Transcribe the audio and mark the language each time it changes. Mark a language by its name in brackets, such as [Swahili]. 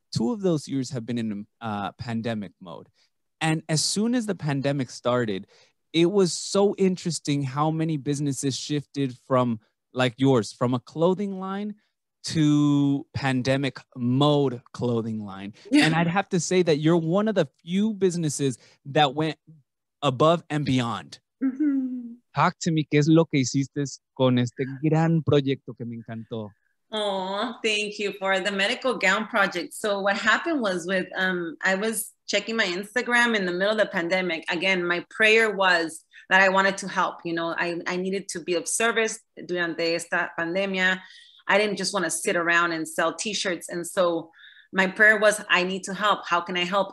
[English] 2 of those years have been in pandemic mode. And as soon as the pandemic started, it was so interesting how many businesses shifted from, like yours, from a clothing line to pandemic mode clothing line. Yeah. And I'd have to say that you're one of the few businesses that went above and beyond. Mm-hmm. Talk to me, [Spanish] ¿qué es lo que hiciste con este gran proyecto que me encantó? [English] Oh, thank you for the medical gown project. So what happened was with, I was checking my Instagram in the middle of the pandemic. Again, my prayer was that I wanted to help, you know, I needed to be of service [Spanish] durante esta pandemia. [English] I didn't just want to sit around and sell t-shirts. And so my prayer was, I need to help. How can I help?